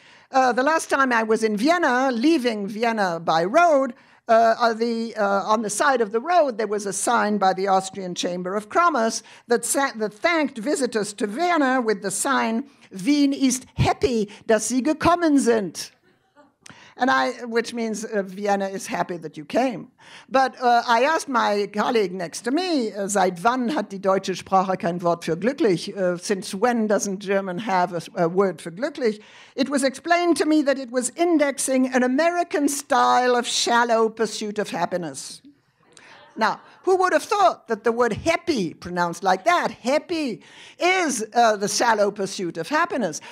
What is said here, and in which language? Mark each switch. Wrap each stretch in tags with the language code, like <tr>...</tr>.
<en>The last time I was in Vienna, leaving Vienna by road, on the side of the road, there was a sign by the Austrian Chamber of Commerce that thanked visitors to Vienna with the sign,</en> <de>Wien ist happy, dass Sie gekommen sind.</de> <en>Which means Vienna is happy that you came. But I asked my colleague next to me,</en> <de>seit wann hat die deutsche Sprache kein Wort für glücklich?</de> <en>Since when doesn't German have a word for glücklich? It was explained to me that it was indexing an American style of shallow pursuit of happiness. Now, who would have thought that the word happy, pronounced like that, happy, is the shallow pursuit of happiness?</en>